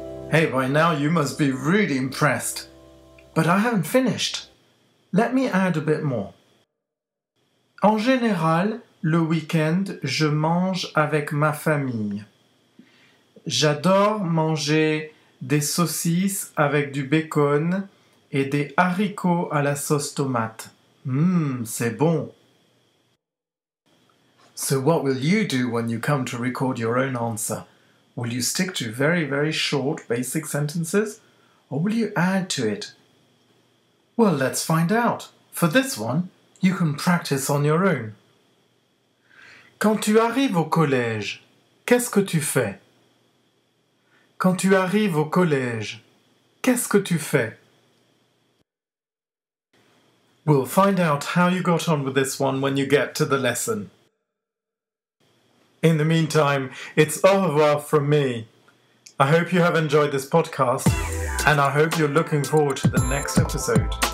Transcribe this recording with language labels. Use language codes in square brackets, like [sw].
[en] Hey, by now you must be really impressed. But I haven't finished. Let me add a bit more. [fr] En général, le week-end, je mange avec ma famille. J'adore manger des saucisses avec du bacon et des haricots à la sauce tomate. Mmm, c'est bon. [en] So what will you do when you come to record your own answer? Will you stick to very, very short, basic sentences? Or will you add to it? Well, let's find out. For this one, you can practice on your own. [fr] Quand tu arrives au collège, qu'est-ce que tu fais? Quand tu arrives au collège, qu'est-ce que tu fais? [en] We'll find out how you got on with this one when you get to the lesson. In the meantime, it's [fr] au revoir [en] from me. I hope you have enjoyed this podcast, and I hope you're looking forward to the next episode.